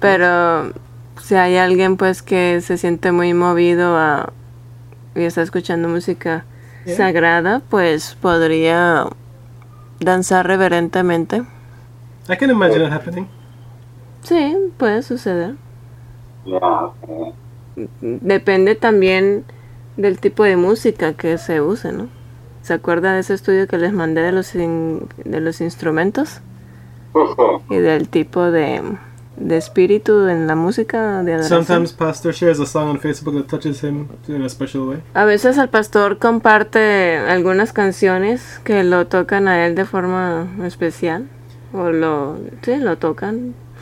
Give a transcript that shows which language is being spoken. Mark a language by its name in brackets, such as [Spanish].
[Spanish] Pero si hay alguien pues que se siente muy movido a y está escuchando música sagrada, pues podría danzar reverentemente. [English] I can imagine it happening. [Spanish] Sí, puede suceder. [English] Yeah, okay. [Spanish] Depende también del tipo de música que se use, ¿no? ¿Se acuerdan de ese estudio que les mandé de los instrumentos? Y del tipo de espíritu en la música de adoración. [English] Sometimes pastor shares a song on Facebook that touches him in a special way. [Spanish] A veces el pastor comparte algunas canciones que lo tocan a él de forma especial o lo tocan.